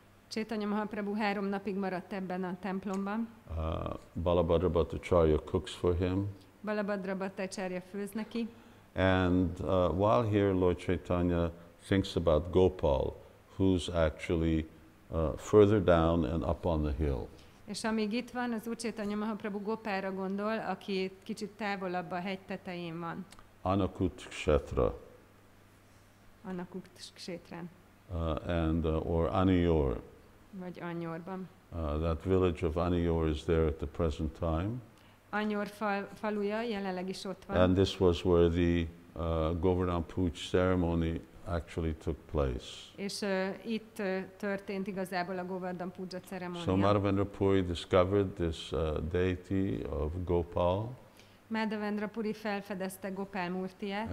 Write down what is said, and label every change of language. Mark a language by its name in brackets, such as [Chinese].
[Hungarian] Chaitanya Mahaprabhu 3 napig maradt ebben a templomban. [English] Balabhadra Bhattacharya cooks for him. [Hungarian] Balabhadra Bhattacharya főz neki. [English] And while here, Lord Chaitanya thinks about Gopal, who's actually further down and up on the hill. [Hungarian] És amíg itt van, az Úr Chaitanya Mahaprabhu Gopára gondol, aki kicsit távolabb a hegy tetején van. [English] Anakut Kshetra. [Hungarian] Anakut Kshetran. [English] Or Anior. [Hungarian] Vagy Anyorban. [English] That village of Anior is there at the present time. [Hungarian] Anyor faluja jelenleg is ott van. [English] And this was where the Govardhan Pooja ceremony actually took place. [Hungarian] És itt történt igazából a Govardhan Pooja ceremónia. [English] So Madhavendra Puri discovered this deity of Gopal. [Hungarian] Madhavendra Puri felfedezte Gopal Murtiát.